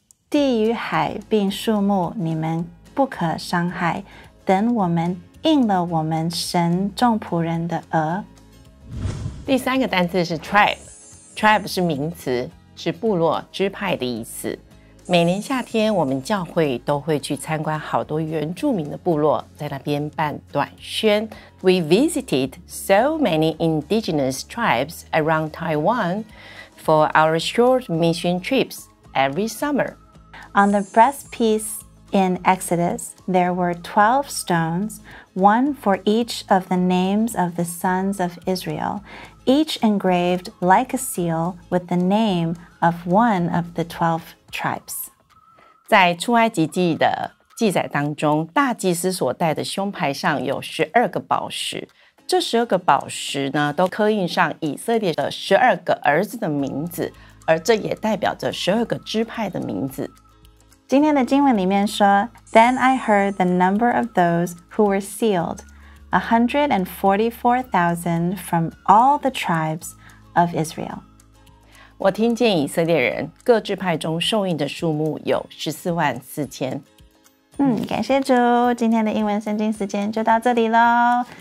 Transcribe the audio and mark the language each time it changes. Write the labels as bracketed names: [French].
[Chinese] 地与海并树木你们不可伤害等我们印了我们神众仆人的额。第三个单词是 tribe. Tribe 是名词是部落支派的意思。每年夏天我们教会都会去参观好多原住民的部落在那边办短宣 [English] We visited so many indigenous tribes around Taiwan for our short mission trips every summer On the breastpiece in Exodus there were 12 stones one for each of the names of the sons of Israel each engraved like a seal with the name of one of the 12 tribes [Chinese] 在出埃及记的记载当中大祭司所戴的胸牌上有12个宝石这12个宝石呢都刻印上以色列的12个儿子的名字而这也代表着12个支派的名字今天的经文里面说 [English] Then I heard the number of those who were sealed 144,000 from all the tribes of Israel [Chinese] 我听见以色列人各支派中受印的数目有144,000。感谢主，今天的英文圣经时间就到这里喽，